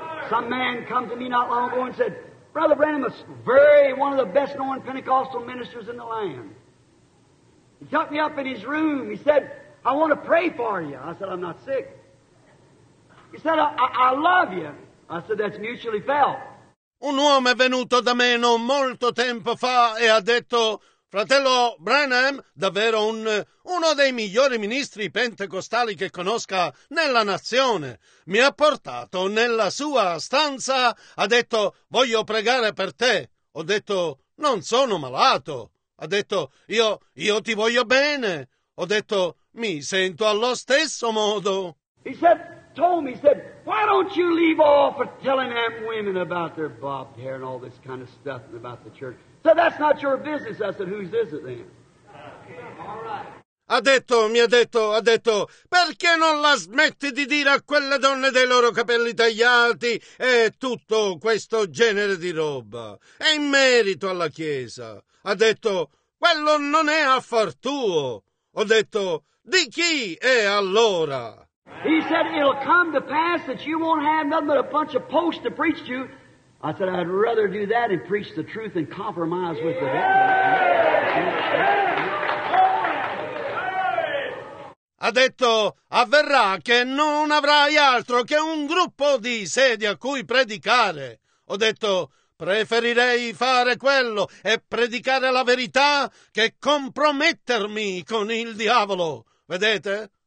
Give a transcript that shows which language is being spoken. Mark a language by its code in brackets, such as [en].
[en] Some man come to me not long ago and said, Brother Branham is very one of the best known Pentecostal ministers in the land. He took me up in his room. He said, I want to pray for you. I said, I'm not sick. He said, I love you. I said, that's mutually felt. [it] Un uomo è venuto da me non molto tempo fa e ha detto, fratello Branham, davvero uno dei migliori ministri pentecostali che conosca nella nazione. Mi ha portato nella sua stanza, ha detto, voglio pregare per te. Ho detto, non sono malato. Ha detto, io ti voglio bene. Ho detto, mi sento allo stesso modo. [en] He said, told me, he said, why don't you leave off of telling them women about their bobbed hair and all this kind of stuff and about the church? So that's not your business. I said, whose is it then? All right. [it] Ha detto, perché non la smetti di dire a quelle donne dei loro capelli tagliati e tutto questo genere di roba? È in merito alla Chiesa. Ha detto, quello non è affar tuo. Ho detto, di chi è allora? [en] He said, it'll come to pass that you won't have nothing but a bunch of posts to preach to. I said, I'd rather do that and preach the truth and compromise with the devil. [it] Ha detto, avverrà che non avrai altro che un gruppo di sedi a cui predicare. Ho detto, preferirei fare quello e predicare la verità che compromettermi con il diavolo. Vedete?